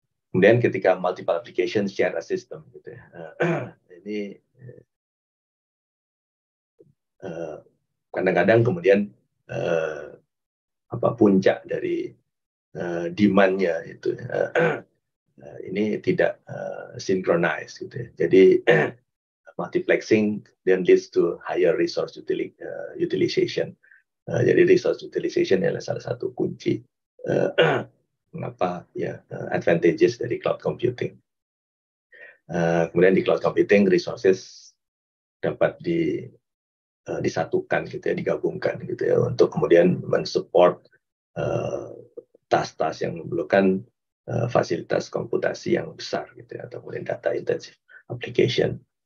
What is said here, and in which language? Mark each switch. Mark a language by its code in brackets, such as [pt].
[id] Kemudian ketika [en] multiple application share a system [id] gitu, ini kadang-kadang kemudian apa puncak dari demand-nya itu ini tidak synchronized gitu ya. [en] Jadi multiplexing then leads to higher resource utilization. [id] Jadi resource utilization adalah salah satu kunci mengapa ya advantages dari cloud computing. Kemudian di cloud computing resources dapat disatukan gitu ya, digabungkan gitu ya, untuk kemudian mensupport tas-tas yang memerlukan fasilitas komputasi yang besar gitu ya, atau kemudian data intensive application.